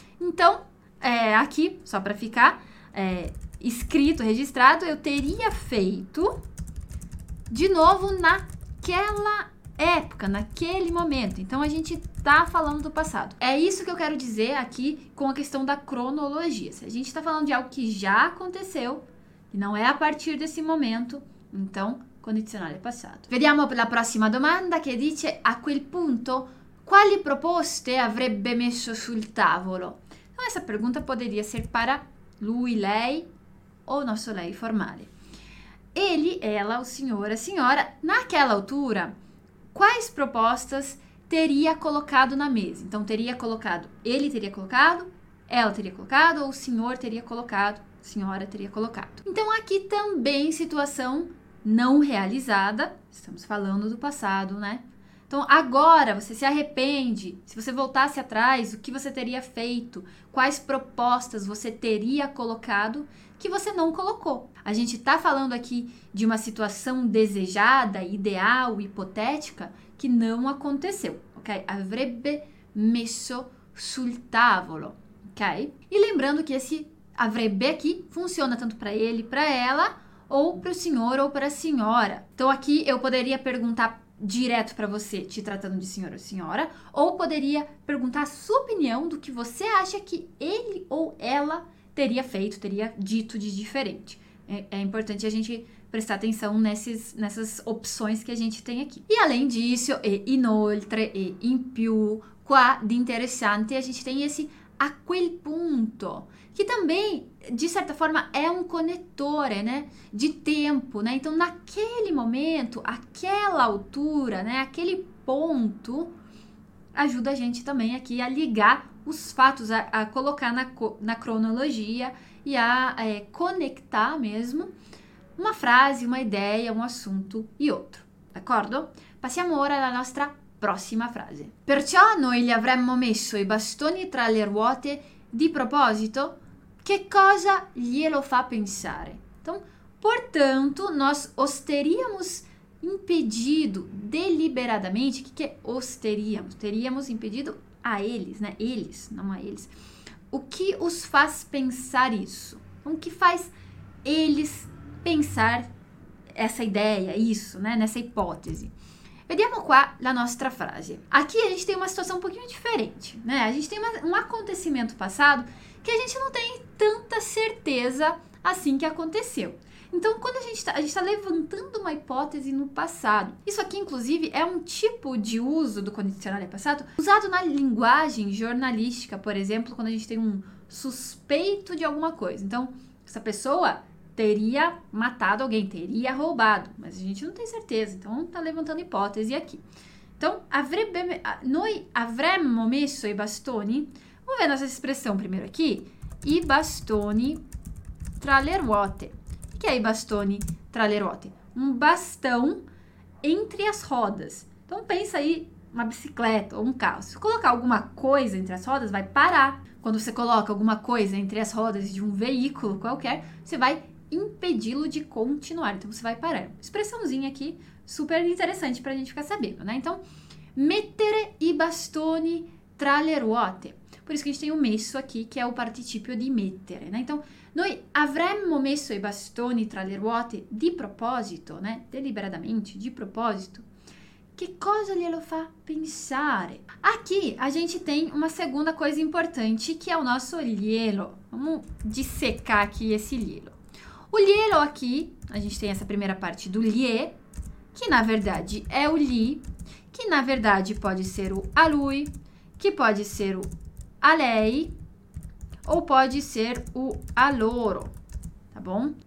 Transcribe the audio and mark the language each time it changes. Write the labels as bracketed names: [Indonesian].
[Portuguese] Então, aqui, só para ficar escrito, registrado, eu teria feito de novo naquela época, naquele momento. Então, a gente tá falando do passado. É isso que eu quero dizer aqui com a questão da cronologia. Se a gente tá falando de algo que já aconteceu, e não é a partir desse momento, então, condizionale passato. [Italian] Vediamo la prossima domanda che dice, a quel punto, quali proposte avrebbe messo sul tavolo? [Portuguese] Então, essa pergunta poderia ser para lui, lei, ou nosso lei formale. Ele, ela, o senhor, a senhora, naquela altura, quais propostas teria colocado na mesa? Então, teria colocado, ele teria colocado, ela teria colocado, ou o senhor teria colocado, senhora teria colocado. Então, aqui também situação não realizada, estamos falando do passado, né? Então, agora você se arrepende, se você voltasse atrás, o que você teria feito? Quais propostas você teria colocado que você não colocou? A gente está falando aqui de uma situação desejada, ideal, hipotética, que não aconteceu, ok? [Italian] Avrebbe messo sul tavolo, ok? [Portuguese] E lembrando que esse avrebbe aqui funciona tanto para ele, para ela, ou para o senhor ou para a senhora. Então, aqui eu poderia perguntar direto para você, te tratando de senhor ou senhora, ou poderia perguntar a sua opinião do que você acha que ele ou ela teria feito, teria dito de diferente. É importante a gente prestar atenção nessas opções que a gente tem aqui. E além disso, [Italian] e inoltre, e in più, qua di interessante, [Portuguese] a gente tem esse [Italian] a quel punto, [Portuguese] que também, de certa forma, é um conectore, né, de tempo, né? Então, naquele momento, aquela altura, né, aquele ponto, ajuda a gente também aqui a ligar os fatos, a colocar na cronologia e a conectar mesmo uma frase, uma ideia, um assunto e outro. [Italian] D'accordo? Passiamo ora alla nostra prossima frase. Perciò noi gli avremmo messo i bastoni tra le ruote di proposito? Che cosa glielo fa pensare? [Portuguese] Então, portanto, nós os teríamos impedido deliberadamente. Que é os teríamos? Teríamos impedido a eles, né? Eles, não a eles. O que os faz pensar isso? Então, o que faz eles pensar essa ideia, isso, né? Nessa hipótese. [Italian] Vediamo qua la nostra frase. [Portuguese] Aqui a gente tem uma situação um pouquinho diferente, né? A gente tem um acontecimento passado que a gente não tem tanta certeza assim que aconteceu. Então, quando a gente tá levantando uma hipótese no passado. Isso aqui, inclusive, é um tipo de uso do condicional de passado usado na linguagem jornalística, por exemplo, quando a gente tem um suspeito de alguma coisa. Então, essa pessoa teria matado alguém, teria roubado, mas a gente não tem certeza, então tá levantando hipótese aqui. Então, [Italian] noi avremmo messo i bastoni, [Portuguese] vamos ver nossa expressão primeiro aqui, [Italian] i bastoni tra le ruote. [Portuguese] O que é [Italian] i bastoni tra le ruote? [Portuguese] Um bastão entre as rodas. Então, pensa aí uma bicicleta ou um carro. Se colocar alguma coisa entre as rodas, vai parar. Quando você coloca alguma coisa entre as rodas de um veículo qualquer, você vai impedi-lo de continuar. Então você vai parar. Expressãozinha aqui super interessante para a gente ficar sabendo, né? Então, [Italian] mettere i bastoni tra le ruote. [Portuguese] Por isso que a gente tem o messo aqui, que é o participio di mettere, né? [Italian] Então, noi avremmo messo i bastoni tra le ruote di proposito, né? [Portuguese] Deliberadamente, [Italian] di proposito. Che cosa glielo fa pensare? [Portuguese] Aqui a gente tem uma segunda coisa importante, que é o nosso glielo. Vamos dissecar aqui esse glielo. O glielo aqui, a gente tem essa primeira parte do lhe, que na verdade é o lhe, que na verdade pode ser o a lui, que pode ser o a lei, ou pode ser o a loro, tá bom?